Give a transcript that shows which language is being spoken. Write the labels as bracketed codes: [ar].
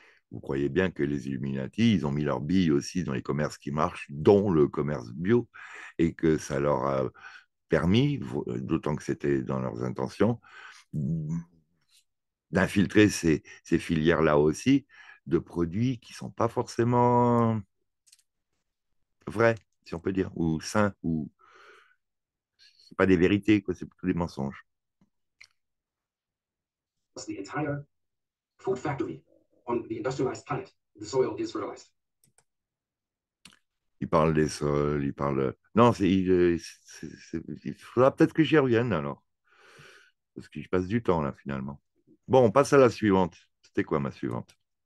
[fr] Vous croyez bien que les Illuminati, ils ont mis leurs billes aussi dans les commerces qui marchent, dont le commerce bio, et que ça leur a permis, d'autant que c'était dans leurs intentions, d'infiltrer ces filières-là aussi de produits qui ne sont pas forcément vrais, si on peut dire, ou sains, ou c'est pas des vérités, quoi, c'est plutôt des mensonges. [en] The entire food factory on the industrialized planet, the soil is fertilized. [fr] Il parle des sols, il parle. Non, il faudra peut-être que j'y revienne alors. Parce que je passe du temps là finalement. Bon, on passe à la suivante. C'était quoi ma suivante?